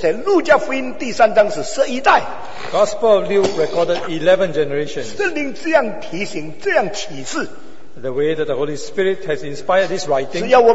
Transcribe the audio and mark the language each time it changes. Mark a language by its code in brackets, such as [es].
[zh] 在路加福音第三章是十一代, [en] Gospel of Luke recorded 11 generations. [zh] 圣灵这样提醒, 这样启示, [en] the way that the Holy Spirit has inspired this writing,